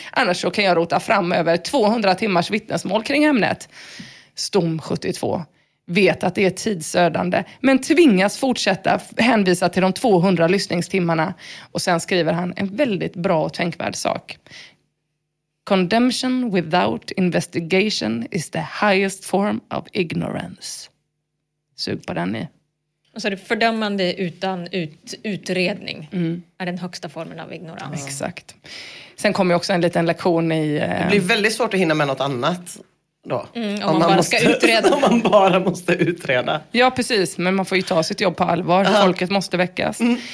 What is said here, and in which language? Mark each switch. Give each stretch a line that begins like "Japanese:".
Swedish: Annars så kan jag rota fram över 200 timmars vittnesmål kring ämnet. Stom 72. Vet att det är tidsödande, men tvingas fortsätta hänvisa till de 200 lyssningstimmarna. Och sen skriver han en väldigt bra och tänkvärd sak.
English: Condemnation without investigation is the highest form of ignorance.
Swedish: Sug på den ni. Alltså det fördömande utan utredning är den högsta formen av ignorans. Exakt. Sen kommer också en liten lektion i... Det blir väldigt svårt att hinna med något annat. Om man bara ska utreda. Om man bara måste utreda. Ja, precis. Men man får ju ta sitt jobb på allvar. Folket måste väckas. Mm.